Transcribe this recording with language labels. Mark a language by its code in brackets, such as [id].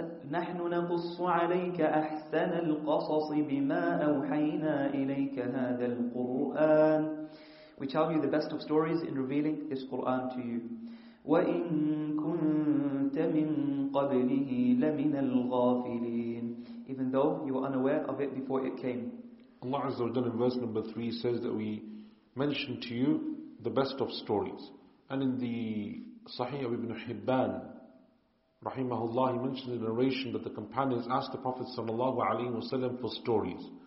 [ar] نحن نقص عليك أحسن القصص بما أوحينا إليك هذا القرآن. [en] We tell you the best of stories in revealing this Quran to you. [ar] وإن كنت من قبله لمن الغافلين. [en] Even though you were unaware of it before it came. Allah Azza wa Jalla in verse number 3 says that we mention to you the best of stories. And in the Sahih of Ibn Hibban, rahimahullah, he mentioned in the narration that the companions asked the Prophet sallallahu alaihi wasallam for stories.